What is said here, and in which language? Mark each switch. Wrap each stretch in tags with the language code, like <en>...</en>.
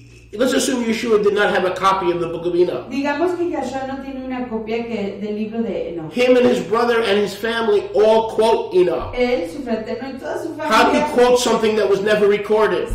<en>Let's assume Yeshua did not have a copy of the book of Enoch.</en> <es>Digamos que Yeshua no tiene una copia que del libro de Enoch.</es> <en>Him and his brother and his family all quote Enoch.</en> <es>Él, su fraterno y toda su familia.</es> <en>How do you quote something that was never recorded?</en>